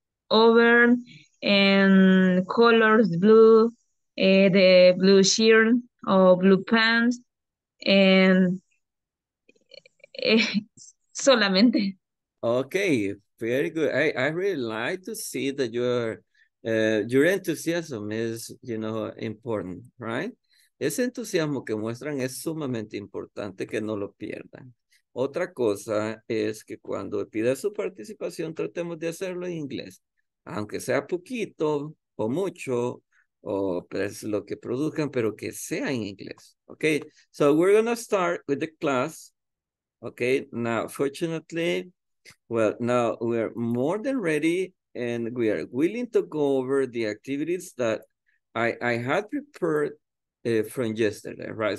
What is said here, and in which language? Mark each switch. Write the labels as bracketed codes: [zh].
[en] Over, and colors blue, the blue shirt or blue pants, and [es] solamente. [en] Okay. Very good. I really like to see that your enthusiasm is, you know, important, right? [es] Ese entusiasmo que muestran es sumamente importante que no lo pierdan. Otra cosa es que cuando pida su participación, tratemos de hacerlo en inglés. Aunque sea poquito o mucho, o pues lo que produzcan, pero que sea en inglés. [en] Okay, so we're going to start with the class. Okay, now, fortunately... Well, now we are more than ready and we are willing to go over the activities that I had prepared from yesterday, right?